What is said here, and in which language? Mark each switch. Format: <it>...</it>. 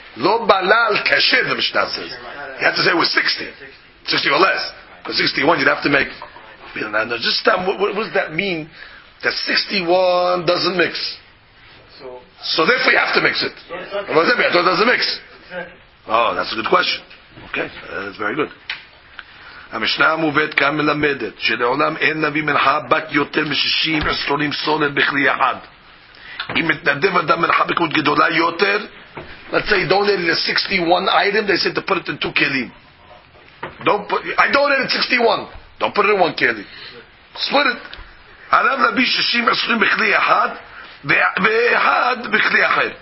<he>Lo balal kasher,</he> <en>the Mishnah says. You have to say it was 60. 60 or less. But 61, you'd have to make... No, just stop. What does that mean? That 61 doesn't mix. So So therefore you have to mix it. What does it mean? It doesn't mix. Exactly. Oh, that's a good question. Okay, that's very good.</en> <he>המשנה המובאת כאן מלמדת שלעולם אין להביא מנחה בת יותר מ-60 עשרונים סולת בכלי אחד. אם מתנדב אדם מנחה בכמות גדולה יותר,</he> <en>let's say donated 61 item, they said to put it in 2 כלים. I donated 61, don't put it in 1 כלים. Split it.</en> <he>עליו להביא 60 עשרונים בכלי אחד ואחד בכלי אחר.</he>